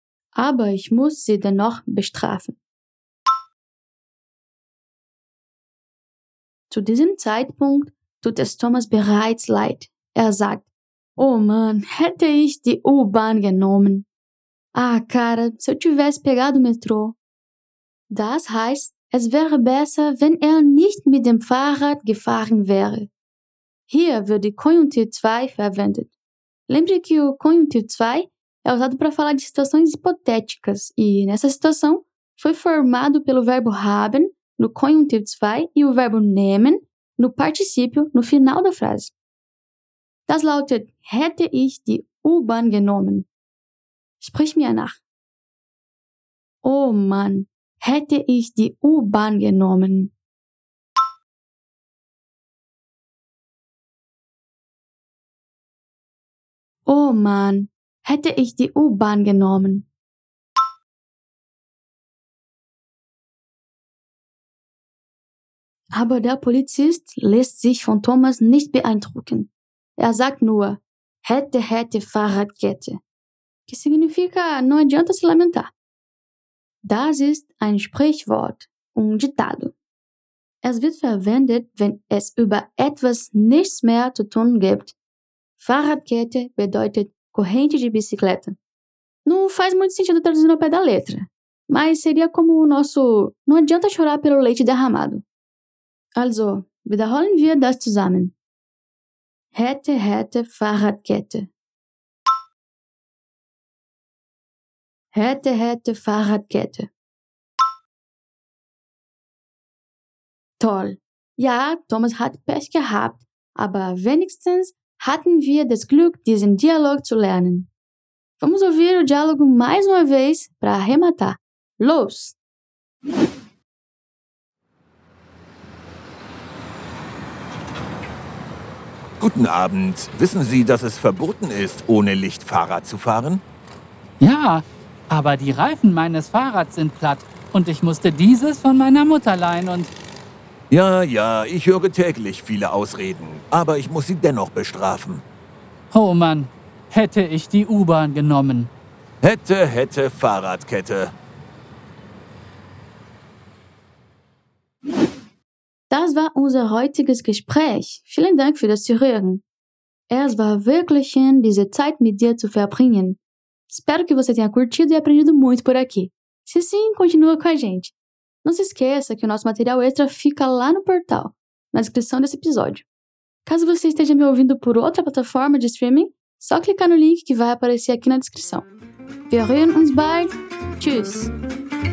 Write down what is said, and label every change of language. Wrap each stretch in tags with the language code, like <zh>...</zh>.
<de>Aber ich muss sie dennoch bestrafen. Zu diesem Zeitpunkt tut es Thomas bereits leid. Er sagt, oh Mann, hätte ich die U-Bahn genommen.</de> <pt>Ah, cara, se eu tivesse pegado o metrô.</pt> <de>Das heißt, es wäre besser, wenn er nicht mit dem Fahrrad gefahren wäre. Hier wird die Konjunktiv 2 verwendet.</de> <pt>Lembre que o Konjunktiv 2 é usado para falar de situações hipotéticas, e nessa situação foi formado pelo verbo haben no Konjunktiv 2 e o verbo nehmen no particípio no final da frase.</pt> <de>Das lautet, hätte ich die U-Bahn genommen. Sprich mir nach. Oh Mann, hätte ich die U-Bahn genommen. Oh Mann, hätte ich die U-Bahn genommen. Aber der Polizist lässt sich von Thomas nicht beeindrucken. Er sagt nur, hätte, hätte, Fahrradkette.</de> <pt>Que significa, não adianta se lamentar.</pt> <de>Das ist ein Sprichwort,</de> <pt>um ditado,</pt> <de>Es wird verwendet, wenn es über etwas nichts mehr zu tun gibt. Fahrradkette bedeutet corrente de bicicleta.</de> <pt>Não faz muito sentido traduzir no pé da letra, mas seria como o nosso não adianta chorar pelo leite derramado.</pt> <de>Also, wiederholen wir das zusammen. Hätte, hätte, Fahrradkette. Hätte, hätte, Fahrradkette. Toll. Ja, Thomas hat Pech gehabt, aber wenigstens hatten wir das Glück, diesen Dialog zu lernen.</de> <pt>Vamos ouvir o diálogo mais uma vez para arrematar.</pt> <de>Los! Guten Abend. Wissen Sie, dass es verboten ist, ohne Licht Fahrrad zu fahren? Ja, aber die Reifen meines Fahrrads sind platt und ich musste dieses von meiner Mutter leihen und... Ja, ja, ich höre täglich viele Ausreden, aber ich muss sie dennoch bestrafen. Oh Mann, hätte ich die U-Bahn genommen. Hätte, hätte Fahrradkette. Das war unser heutiges Gespräch. Vielen Dank für das Zuhören. Es war wirklich schön, diese Zeit mit dir zu verbringen.</de> <pt>Espero que você tenha curtido e aprendido muito por aqui. Se sim, continua com a gente. Não se esqueça que o nosso material extra fica lá no portal, na descrição desse episódio. Caso você esteja me ouvindo por outra plataforma de streaming, só clicar no link que vai aparecer aqui na descrição.</pt> <de>Wir hören uns bald. Tschüss!</de>